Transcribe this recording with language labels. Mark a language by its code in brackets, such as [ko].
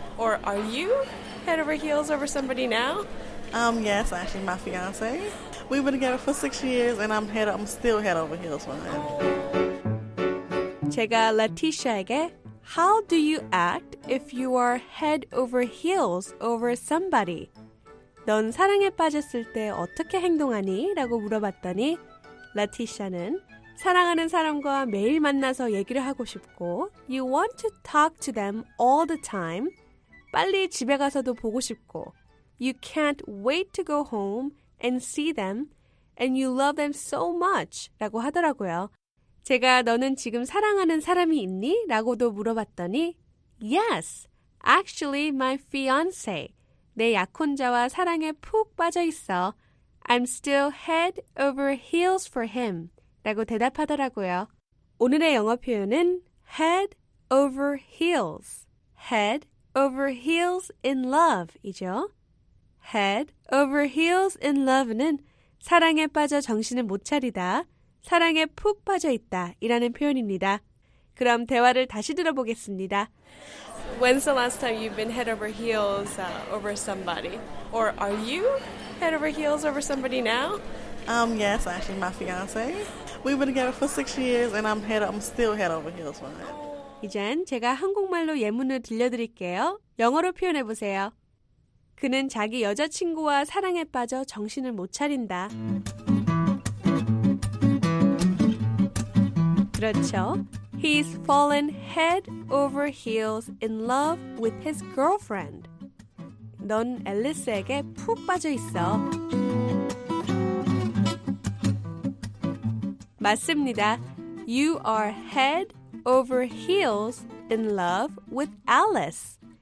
[en] Or are you head over heels over somebody now? Yes, actually, my fiance. We've been together for 6 years, and I'm still head over heels for him. [ko] 제가 라티샤에게, [en] How do you act if you are head over heels over somebody? [ko] 넌 사랑에 빠졌을 때 어떻게 행동하니? 라고 물어봤더니 라티샤는 사랑하는 사람과 매일 만나서 얘기를 하고 싶고 [en] You want to talk to them all the time. [ko] 빨리 집에 가서도 보고 싶고 [en] You can't wait to go home and see them and you love them so much [ko] 라고 하더라고요. 제가 너는 지금 사랑하는 사람이 있니? 라고도 물어봤더니 [en] Yes, actually my fiancé. [ko] 내 약혼자와 사랑에 푹 빠져 있어. [en] I'm still head over heels for him. [ko] 라고 대답하더라고요. 오늘의 영어 표현은 [en] head over heels. Head over heels in love이죠. Head over heels in love [ko] 는 사랑에 빠져 정신을 못 차리다, 사랑에 푹 빠져 있다 이라는 표현입니다. 그럼 대화를 다시 들어보겠습니다. [en] When's the last time you've been head over heels over somebody? Or are you head over heels over somebody now? Yes, actually my fiance. We've been together for 6 years and I'm still head over heels for him. [ko] 이젠 제가 한국말로 예문을 들려드릴게요. 영어로 표현해 보세요. 그는 자기 여자친구와 사랑에 빠져 정신을 못 차린다. 그렇죠. [en] He's fallen head over heels in love with his girlfriend. [ko] 넌 앨리스에게 푹 빠져 있어. 맞습니다. [en] You are head over heels in love with Alice.